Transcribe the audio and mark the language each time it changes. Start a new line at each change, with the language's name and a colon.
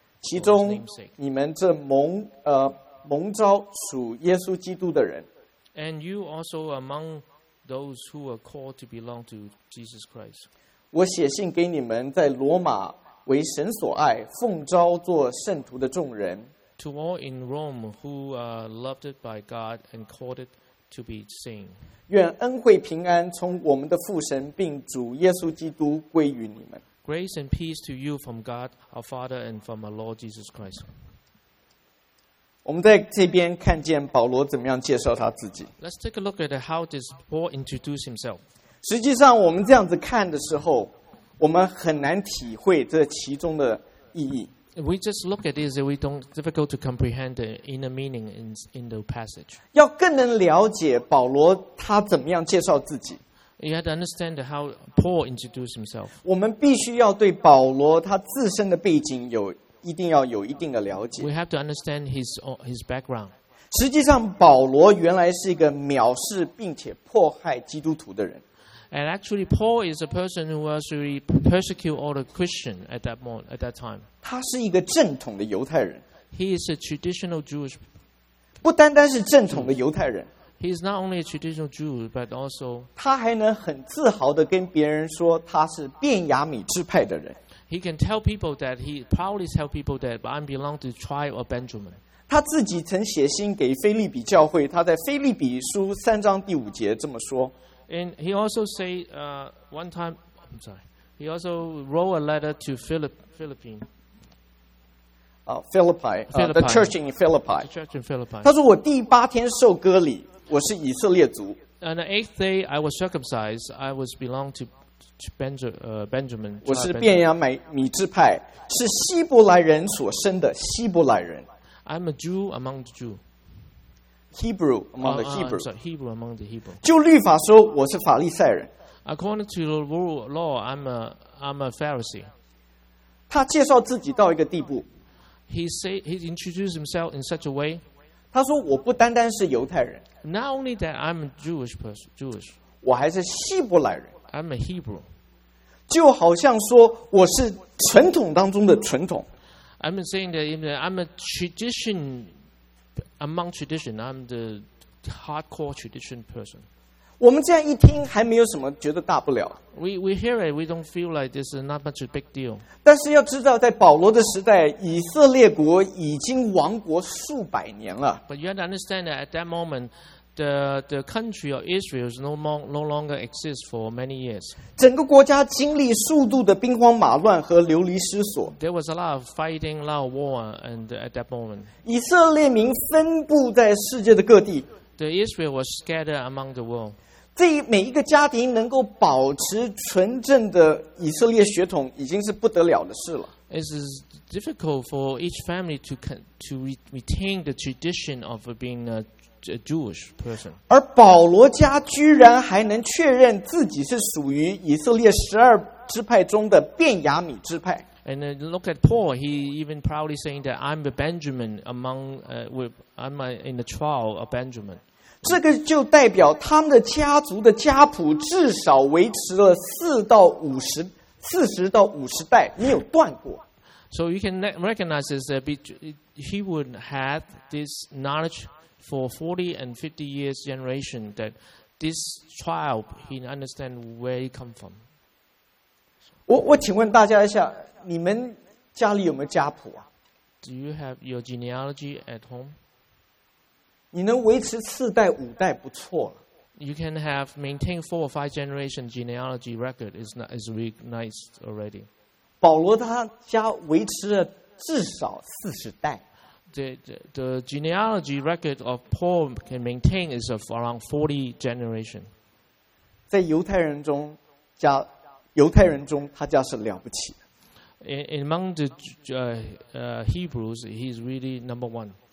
Chinese: 其中你们这蒙召属耶稣基督的人。
English: And you also among those who are called to belong to Jesus Christ.
Chinese: 我写信给你们在罗马为神所爱奉召做圣徒的众人。
English: To all in Rome who are loved by God and called it to be seen.
Chinese: 愿恩惠平安从我们的父神并主耶稣基督归于你们。
English: Grace and peace to you from God, our Father, and from our Lord Jesus Christ.
Chinese: 我们在这边看见保罗怎么样介绍他自己。
English: Let's take a look at how does Paul introduce himself.
Chinese: 实际上我们这样子看的时候我们很难体会这其中的意义。
English: We just look at this and we don't difficult to comprehend the inner meaning in the passage.
Chinese: 要更能了解保罗他怎么样介绍自己。
English: You have to understand how Paul introduced himself.
Chinese: 我们必须要对保罗他自身的背景有一定要有一定的了解。
English: We have to understand his background.
Chinese: 实际上保罗原来是一个藐视并且迫害基督徒的人。
English: And actually, Paul is a person who was really persecuted all the Christians at that time.
Chinese: 他是一个正统的犹太人。
English: He is a traditional Jewish.
Chinese: 不单单是正统的犹太人。
English: He is not only a traditional Jew, but also.
Chinese: 他还能很自豪地跟别人说他是便雅悯支派的人。
English: He can tell people that he proudly tell people that I belong to the tribe of Benjamin.
Chinese: 他自己曾写信给腓立比教会，他在腓立比书三章第五节这么说。
English: And he also said one time, I'm sorry, he also wrote a letter to Philippine. Philippi, the church in Philippi. The church in Philippi.
Chinese: 他说我第八天受割礼，我是以色列族。
English: And the eighth day I was circumcised, I was belong to Benjamin.
Chinese: 我是便雅悯支派，是希伯来人所生的希伯来人。
English: I'm a Jew among the Jews. Hebrew among the Hebrew. Hebrew among the Hebrew.
Chinese: 就律法说我是法利赛人。
English: According to the law, I'm a Pharisee.
Chinese: 他介绍自己到一个地步。
English: He introduced himself in such a way.
Chinese: 他说我不单单是犹太人。
English: Not only that I'm a Jewish person, Jewish.
Chinese: 我还是希伯来人。
English: I'm a Hebrew.
Chinese: 就好像说我是传统当中的传统。
English: I'm saying that I'm a tradition. Among tradition, I'm the hardcore tradition person.
Chinese: 我们这样一听还没有什么觉得大不了。
English: We hear it, we don't feel like this is not much a big deal.
Chinese: 但是要知道，在保罗的时代，以色列国已经亡国数百年了。
English: But you have to understand that at that moment, the country of Israel is no longer exists for many years.
Chinese: 整个国家经历数度的兵荒马乱和流离失所。
English: There was a lot of fighting, a lot of war, and at that moment,
Chinese: 以色列民分布在世界的各地。
English: The Israel was scattered among the world.
Chinese: 这每一个家庭能够保持纯正的以色列血统，已经是不得了的事了。
English: It is difficult for each family to retain the tradition of being a Jewish person.
Chinese: 而保罗家居然还能确认自己是属于以色列十二支派中的便雅悯支派。
English: And look at Paul, he even proudly saying that I'm a Benjamin I'm in the tribe of Benjamin.
Chinese: 这个就代表他们的家族的家谱至少维持了四十到五十代没有断过。
English: So you can recognize this, he would have this knowledge. For 40 and 50 years generation, that this tribe, he understand where he come from.
Chinese: 我请问大家一下，你们家里有没有家谱啊？
English: Do you have your genealogy at home?
Chinese: 你能维持四代五代不错了。
English: You can have maintain 4 or 5 generation genealogy record is really nice already.
Chinese: 保罗他家维持了至少40代。
English: the genealogy record of Paul can maintain is of around 40 generations.
Chinese: 在犹太人中加犹太人中他家是了不起的。
English: In among the Hebrews, he is really number one.